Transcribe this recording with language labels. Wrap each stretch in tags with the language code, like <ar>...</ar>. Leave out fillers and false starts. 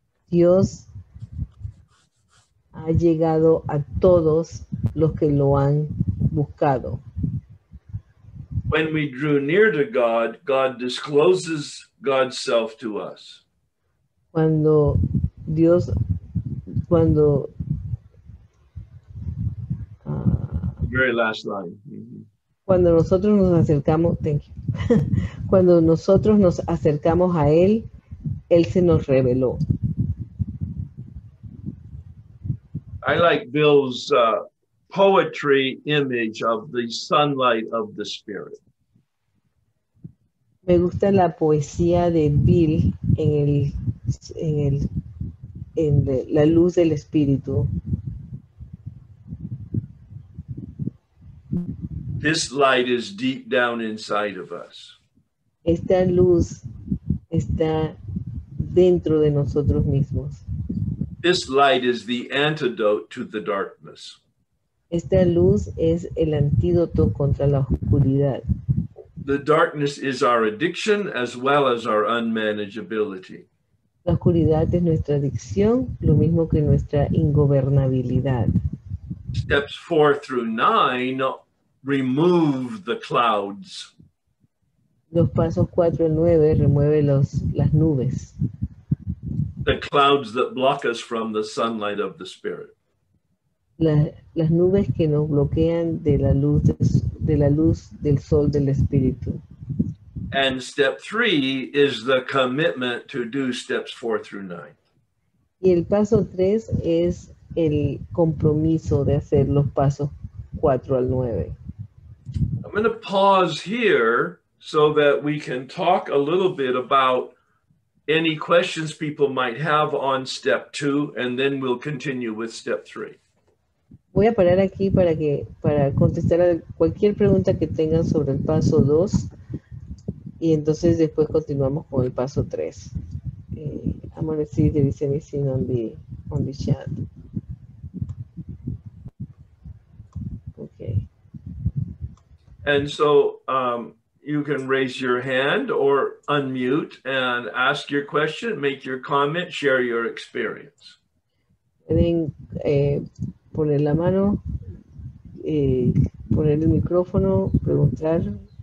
<es>Dios ha llegado a todos los que lo han buscado.</es> <en>When we drew near to God, God discloses God's self to us. Very last line.</en> <es>Cuando nosotros nos acercamos,</es> <en>thank you.</en> <es>Cuando nosotros nos acercamos a él, él se nos reveló.</es> <en>I like Bill's poetry image of the sunlight of the spirit.</en> <es>Me gusta la poesía de Bill en la luz del espíritu.</es> <en>This light is deep down inside of us.</en> <es>Esta luz está dentro de nosotros mismos.</es> <en>This light is the antidote to the darkness.</en> <es>Esta luz es el antídoto contra la oscuridad.</es> <en>The darkness is our addiction as well as our unmanageability.</en> <es>La oscuridad es nuestra adicción, lo mismo que nuestra ingobernabilidad.</es> <en>Steps 4 through 9 remove the clouds.</en> <es>Los pasos 4 al 9 remueve las nubes.</es> <en>The clouds that block us from the sunlight of the Spirit.</en> <es>Las nubes que nos bloquean de la luz del sol del Espíritu.</es> <en>And step 3 is the commitment to do steps 4 through 9.</en> <es>Y el paso 3 es el compromiso de hacer los pasos 4 al 9.</es> <en>I'm going to pause here so that we can talk a little bit about any questions people might have on step 2, and then we'll continue with step 3.</en> <es>Voy a parar aquí para contestar a cualquier pregunta que tengan sobre el paso 2. Y entonces después continuamos con el paso 3.</es> <en>I'm going to see if there is anything on the chat. Okay. And so you can raise your hand or unmute and ask your question, make your comment, share your experience.</en> <es>Pueden poner la mano, poner el micrófono, preguntar.</es>